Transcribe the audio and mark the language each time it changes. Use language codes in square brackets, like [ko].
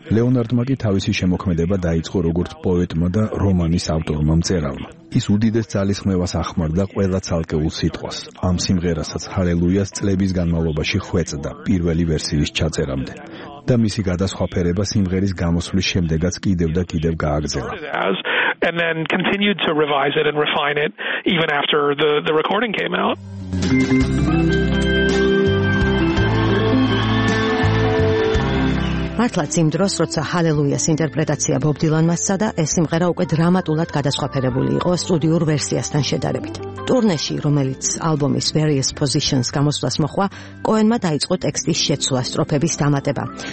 [ka] ლეონარდმა კი თავისი შემოქმედება დაიწყო როგორც პოეტმა და რომანის ავტორმა მწერალმა. ის უდიდეს ძალისხმევას ახმარდა ყველა ცალკეულ სიტყვას. ამ სიმღერასაც ჰალელუიას წლების განმავლობაში ხვეწდა პირველი ვერსიის ჩაწერამდე. და მისი გადასხვაფერება სიმღერის გამოსვლის შემდეგაც კიდევ და კიდევ გააგრძელა. [en] And then continued to revise it and refine it even after the recording came out. [ka] მართლაც იმ დროს, როცა ჰალელუიას ინტერპრეტაცია ბობ დილანმა სცადა, ეს სიმღერა უკვე დრამატულად გადასხვაფერებული იყო სტუდიურ ვერსიასთან შედარებით. ტურნეში, რომელიც ალბომის Various Positions გამოსვლას მოხვა, კოენმა დაიწყო ტექსტის შეცვლა, სტროფების დამატება.